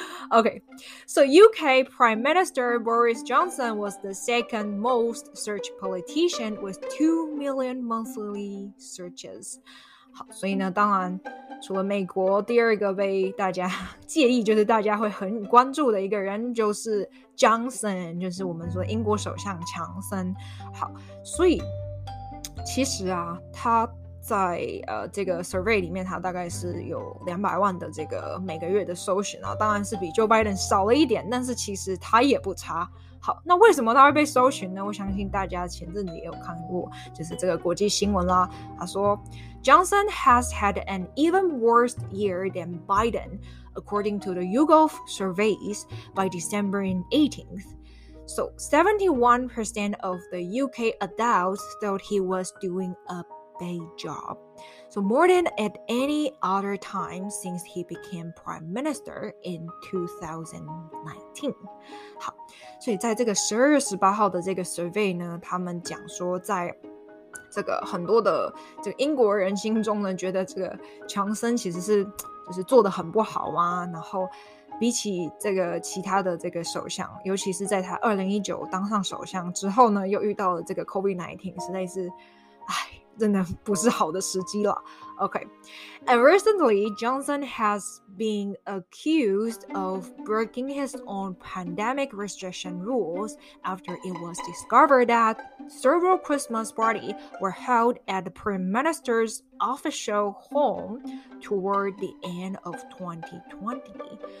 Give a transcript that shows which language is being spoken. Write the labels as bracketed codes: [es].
[en] Okay, so UK Prime Minister Boris Johnson was the second most searched politician with 2 million monthly searches. [zh] 好，所以呢，当然除了美国第二个被大家介意，就是大家会很关注的一个人，就是 Johnson， 就是我们说英国首相强森。好，所以其实啊，他在这个 survey 里面，他大概是有200万的这个每个月的搜寻啊，当然是比 Joe Biden 少了一点，但是其实他也不差。好，那为什么他会被搜寻呢？我相信大家前阵子也有看过，就是这个国际新闻啦。他说 [en] ，Johnson has had an even worse year than Biden, according to the YouGov surveys by December 18th. So 71% of the UK adults thought he was doing a bad job. So more than at any other time since he became prime minister in 2019. [zh] 好，所以在这个12月18号的这个 survey 呢，他们讲说在这个很多的这个英国人心中呢，觉得这个强森其实是就是做得很不好啊，然后比起这个其他的这个首相，尤其是在他2019当上首相之后呢，又遇到了这个 COVID-19， 实在是，哎，真的不是好的时机了。 [en] OK， and recently Johnson has been accused of breaking his own pandemic restriction rules after it was discovered that several Christmas parties were held at the Prime Minister's official home toward the end of 2020.